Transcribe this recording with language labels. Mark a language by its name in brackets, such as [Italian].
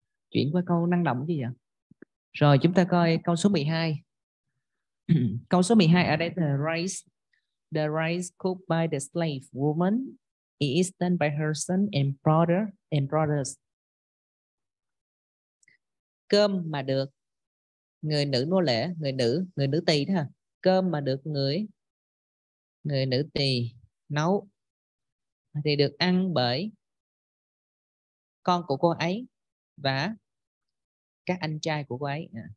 [Vietnamese] Chuyển qua câu năng động gì vậy? Rồi chúng ta coi câu số 12. Câu số 12 ở đây là [English] the rice cooked by the slave woman is done by her son and brother and brothers. [Vietnamese] Cơm mà được người nữ nô lệ, người nữ tỳ đó ha. Cơm mà được người nữ tỳ nấu thì được ăn bởi con của cô ấy và các anh trai của cô ấy.